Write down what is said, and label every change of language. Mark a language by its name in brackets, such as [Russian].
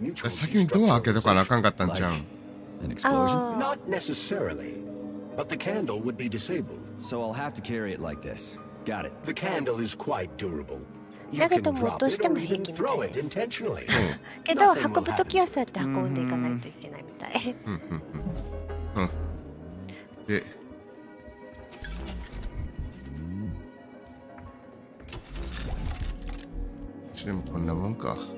[Japanese] 先にドア開けとかなあかんかったんちゃう。 [English] Not necessarily, but the candle would be disabled. So I'll have to carry it like this. Got it. The candle is quite durable. [Japanese] 投げても落としても平気みたいです。けど運ぶときはそうやって運んでいかないといけないみたい。で、でもこんなもんか。